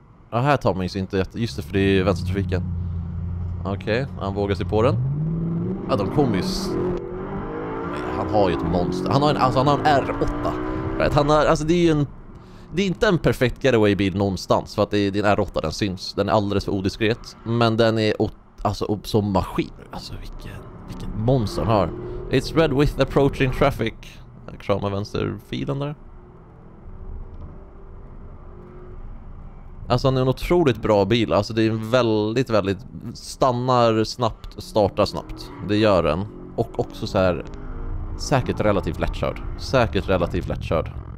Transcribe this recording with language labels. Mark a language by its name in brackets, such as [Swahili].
[Swedish] Ja, här tar man ju inte jätte... Just det, för det är ju vänstertrafiken. Okej, han vågar sig på den. Ja, de kommer ju... Han har ju ett monster. Han har en R8. Right? Han har... Alltså, det är ju en... det är inte en perfekt getaway-bil någonstans. För att det är R8, den syns. Den är alldeles för odiskret. Men den är alltså som maskin. Alltså vilken monster har. [English] It's red with approaching traffic. [Swedish] Jag kramar vänsterfilen där. Alltså den är en otroligt bra bil. Alltså det är en väldigt, väldigt... Stannar snabbt, startar snabbt. Det gör den. Och också så här... Säkert relativt lättkörd.